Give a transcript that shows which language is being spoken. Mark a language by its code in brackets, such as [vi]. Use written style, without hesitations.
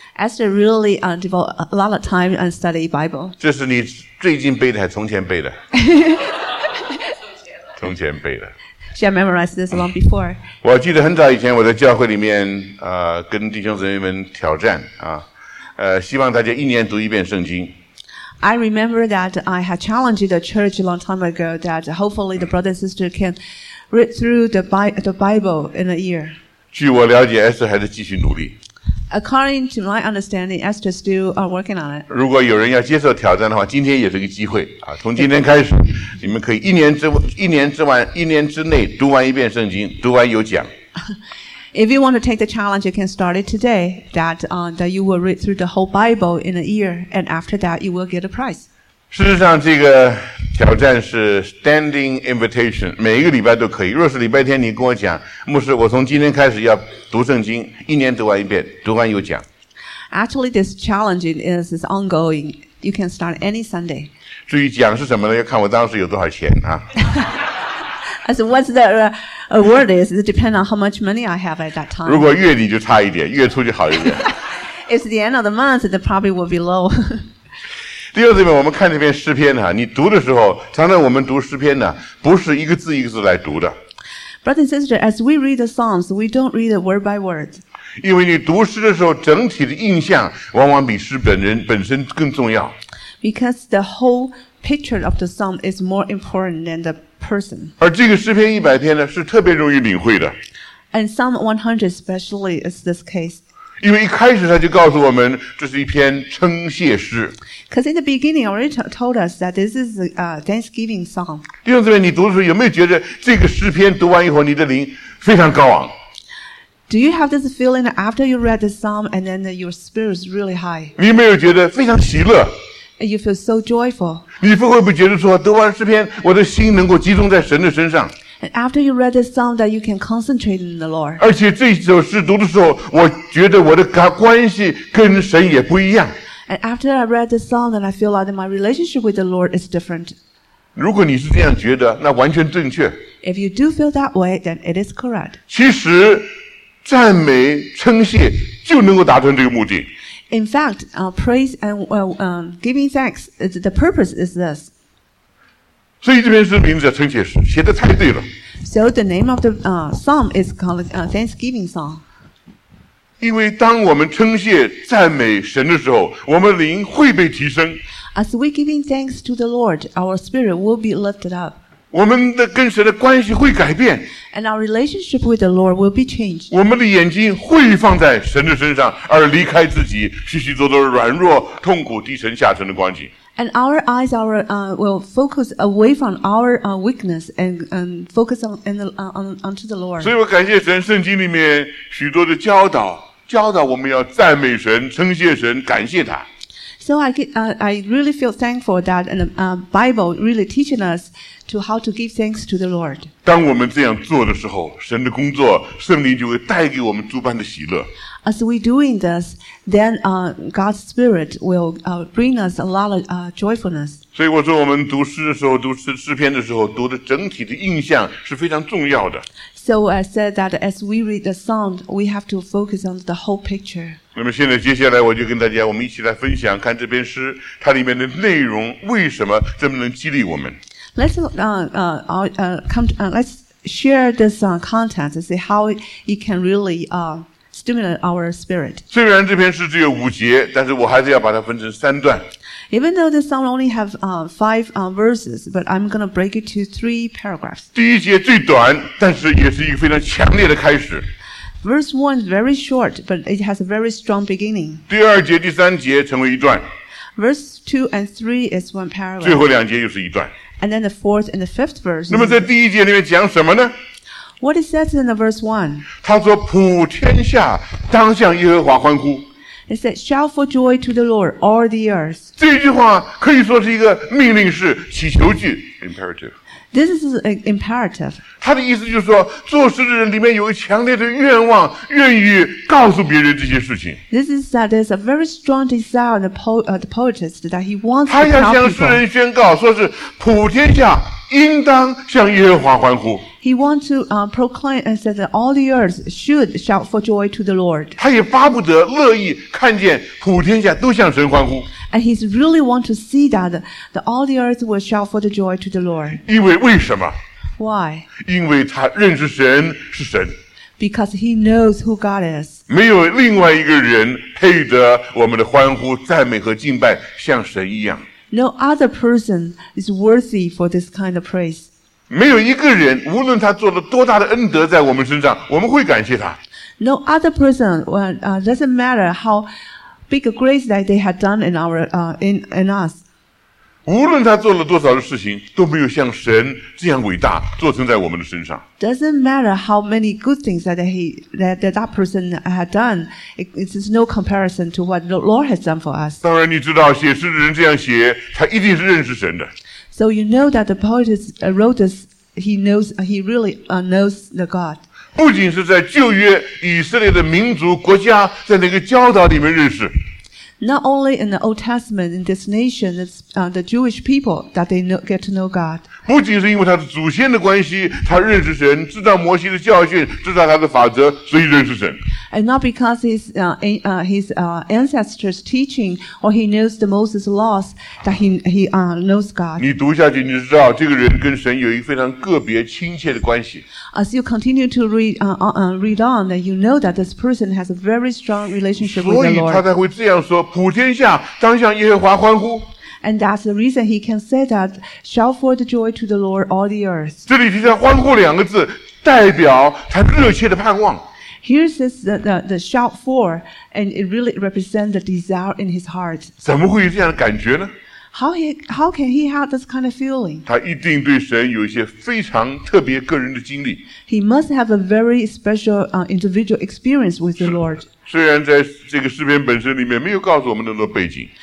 [en] Esther really devote a lot of time and study Bible. [zh] 这是你最近背的还是从前背的？从前背的。 [en] She had memorized this long before. [zh] 我记得很早以前我在教会里面跟弟兄姊妹们挑战希望大家一年读一遍圣经。 [en] I remember that I had challenged the church a long time ago that hopefully the brother and sister can read through the Bible in a year. [zh] 据我了解 ，Esther 还在继续努力。 [en] According to my understanding, Esther still are working on it. [zh] 如果有人要接受挑战的话，今天也是个机会啊！从今天开始，你们可以一年之内读完一遍圣经，读完有奖。 [en] If you want to take the challenge, you can start it today. That you will read through the whole Bible in a year, and after that, you will get a prize. [zh] 事实上，这个挑战是 [en] standing invitation， [zh] 每一个礼拜都可以。若是礼拜天你跟我讲，牧师，我从今天开始要读圣经，一年读完一遍，读完有奖。 [en] Actually, this challenge is ongoing. You can start any Sunday. [zh] 至于奖是什么呢？要看我当时有多少钱啊。 [en] As what's the award is, it depends on how much money I have at that time. [zh] 如果月底就差一点，月初就好一点。 [en] It's the end of the month, it probably will be low. [zh] 第二这边我们看这篇诗篇啊，你读的时候，常常我们读诗篇呢，不是一个字一个字来读的。 [en] Brother and sister, as we read the Psalms, we don't read it word by word. [zh] 因为你读诗的时候，整体的印象往往比诗本身更重要。 [en] Because the whole picture of the Psalm is more important than the person. [zh] 而这个诗篇一百篇呢，是特别容易领会的。 [en] And Psalm 100 especially is this case. [zh] 因为一开始他就告诉我们这是一篇称谢诗。 [en] Because in the beginning, already told us that this is a thanksgiving song. [zh] 弟兄姊妹，你读的时候有没有觉得这个诗篇读完以后，你的灵非常高昂 [en] ？Do you have this feeling after you read the psalm and then your spirit is really high？ [zh] 你有没有觉得非常喜乐 [en] ？You feel so joyful。 [zh] 你会不会觉得说读完诗篇，我的心能够集中在神的身上？ [en] After you read this psalm, that you can concentrate in the Lord. [zh] 而且这首诗读的时候，我觉得我的关系跟神也不一样。 [en] And after I read this psalm, then I feel like my relationship with the Lord is different. [zh] 如果你是这样觉得，那完全正确。 [en] If you do feel that way, then it is correct. [zh] 其实，赞美称谢就能够达成这个目的。 [en] In fact, praise and giving thanks, the purpose is this. [zh] 所以这篇诗名字叫称谢诗，写得太对了。 [en] So the name of the psalm is called Thanksgiving Song. [zh] 因为当我们称谢赞美神的时候，我们灵会被提升。 [en] As we giving thanks to the Lord, our spirit will be lifted up. [zh] 我们的跟神的关系会改变。 [en] And our relationship with the Lord will be changed. [zh] 我们的眼睛会放在神的身上，而离开自己许许多多软弱、痛苦、低沉、下沉的光景。 [en] And our eyes will focus away from our weakness and focus onto the Lord. [zh] 所以我感谢神，圣经里面许多的教导我们要赞美神、称谢神、感谢他。 [en] So I really feel thankful that the Bible really teaching us to how to give thanks to the Lord. [zh] 当我们这样做的时候，神的工作，圣灵就会带给我们诸般的喜乐。 [en] As we doing this, then God's Spirit will bring us a lot of joyfulness. [zh] 所以我说，我们读诗的时候，读诗篇的时候，读的整体的印象是非常重要的。 [en] So I said that as we read the psalm, we have to focus on the whole picture. [zh] 那么现在接下来我就跟大家，我们一起来分享看这篇诗它里面的内容为什么这么能激励我们。 [en] Let's let's share this content and see how it can really stimulate our spirit. [zh] 虽然这篇诗只有五节，但是我还是要把它分成三段。 [en] Even though this song only have five verses, but I'm going to break it to three paragraphs. [zh] 第一节最短，但是也是一个非常强烈的开始。 [en] Verse one is very short, but it has a very strong beginning. [zh] 第二节、第三节成为一段。 [en] Verse two and three is one paragraph. [zh] 最后两节又是一段。 [en] And then the fourth and the fifth verse. [zh] 那么在第一节里面讲什么呢？ [en] What it says in the verse 1? [zh] 他说普天下当向耶和华欢呼。 [en] It says, shout for joy to the Lord, all the earth. [zh] 这句话可以说是一个命令式祈求句 imperative. [en] This is an imperative. [zh] 他的意思就是说做事的人里面有个强烈的愿望愿意告诉别人这些事情。 [en] This is that there's a very strong desire in the poetist that he wants to tell people. [zh] 他要向世人宣告说是普天下应当向耶和华欢呼。 [en] He wants to proclaim and say that all the earth should shout for joy to the Lord. [zh] 他也巴不得乐意看见普天下都向神欢呼。 [en] And he really wants to see that all the earth will shout for the joy to the Lord. [zh] 因为为什么 [en] ？Why？ [zh] 因为他认识神是神。 [en] Because he knows who God is. [zh] 没有另外一个人配得我们的欢呼、赞美和敬拜像神一样。 [en] No other person is worthy for this kind of praise. [zh] 没有一个人，无论他做了多大的恩德在我们身上，我们会感谢他。 [en] No other person, doesn't matter how big a grace that they had done in our, in us. [zh] 无论他做了多少的事情，都没有像神这样伟大，做成在我们的身上。 [en] Doesn't matter how many good things that that person had done. It's no comparison to what the Lord has done for us. [zh] 当然你知道，写诗的人这样写，他一定是认识神的。 [en] So you know that the poet wrote this, he really knows the God. [zh] 不仅是在旧约以色列的民族国家在那个教导里面认识。 [en] Not only in the Old Testament, in this nation, it's the Jewish people that they know, get to know God. [zh] 不仅是因为他的祖先的关系，他认识神，知道摩西的教训，知道他的法则，所以认识神。 [en] And not because his ancestors' teaching or he knows the Moses' laws that he knows God. [zh] 你读下去，你知道这个人跟神有一个非常个别亲切的关系。 [en] As you continue to read on, that you know that this person has a very strong relationship with the Lord. [zh] 所以他才会这样说。普天下当向耶和华欢呼。 [en] And that's the reason he can say that, shout for the joy to the Lord all the earth. [zh] 这里提到欢呼两个字，代表他热切的盼望。 [en] Here says the shout for, and it really represents the desire in his heart. [zh] 怎么会有这样的感觉呢？ [en] How can he have this kind of feeling? [zh] 他一定对神有一些非常特别个人的经历。 [en] He must have a very special, individual experience with the Lord. [zh] 虽然在这个诗篇本身里面没有告诉我们那么多背景。